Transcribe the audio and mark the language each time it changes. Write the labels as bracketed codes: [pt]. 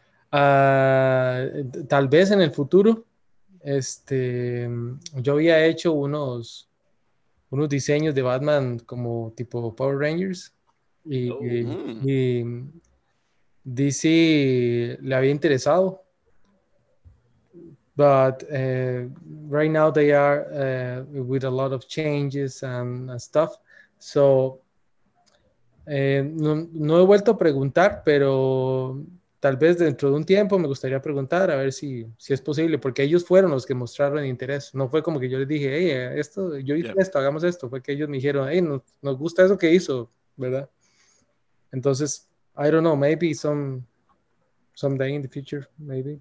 [es] tal vez en el futuro, yo había hecho unos diseños de Batman como tipo Power Rangers y DC le había interesado. [en] But right now they are with a lot of changes and stuff. [es] So no he vuelto a preguntar, pero tal vez dentro de un tiempo me gustaría preguntar a ver si es posible, porque ellos fueron los que mostraron interés. No fue como que yo les dije, hey, esto, yo hice esto, hagamos esto. Fue que ellos me dijeron, hey, nos gusta eso que hizo, ¿verdad? [en] Entonces, I don't know, maybe someday in the future, maybe.